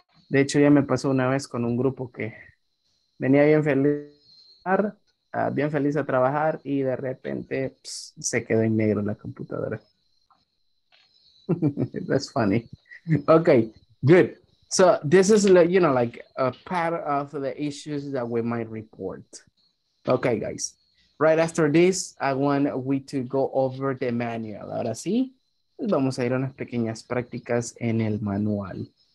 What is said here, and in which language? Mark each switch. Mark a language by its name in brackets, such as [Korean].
[Spanish] De hecho, ya me pasó una vez con un grupo que venía bien feliz, bien feliz a trabajar y de repente pss, se quedó en negro la computadora. [English] That's funny. Okay, good. So this is, you know, like a part of the issues that we might report. Okay, guys. Right after this, I want we to go over the manual. [Spanish] Ahora sí, vamos a ir a unas pequeñas prácticas en el manual.